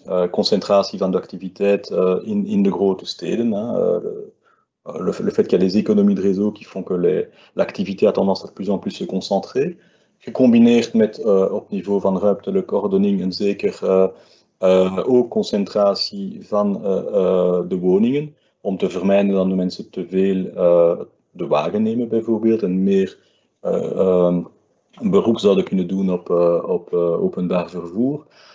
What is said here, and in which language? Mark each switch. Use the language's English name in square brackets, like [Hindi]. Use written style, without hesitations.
[Dutch] Concentratie van de activiteit in de grote steden. [French] Le fait qu'il y a des économies de réseau qui font que l'activité a tendance à de plus en plus se concentrer. [Dutch] Gecombineerd met op niveau van ruimtelijke ordening een zeker hoge concentratie van de woningen. Om te vermijden dat de mensen te veel de wagen nemen, bijvoorbeeld, en meer beroep zouden kunnen doen op openbaar vervoer.